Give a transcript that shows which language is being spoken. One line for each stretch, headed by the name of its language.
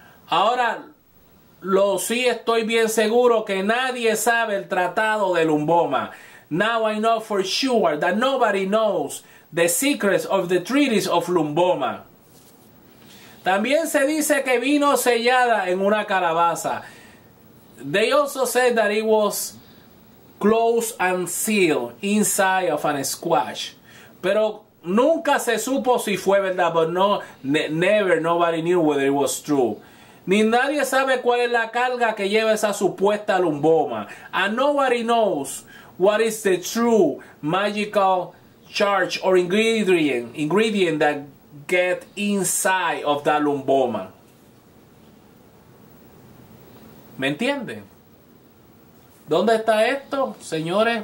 Spanish: Ahora, lo sí estoy bien seguro que nadie sabe el tratado de Lumbomba.
English: Now I know for sure that nobody knows the secrets of the treaties of Lumbomba.
Spanish: También se dice que vino sellada en una calabaza.
English: They also said that it was closed and sealed inside of a squash.
Spanish: Pero nunca se supo si fue verdad,
English: but no, never, nobody knew whether it was true.
Spanish: Ni nadie sabe cuál es la carga que lleva esa supuesta Lumbomba.
English: And nobody knows what is the true magical charge or ingredient that get inside of that Lumbomba.
Spanish: ¿Me entienden? ¿Dónde está esto, señores?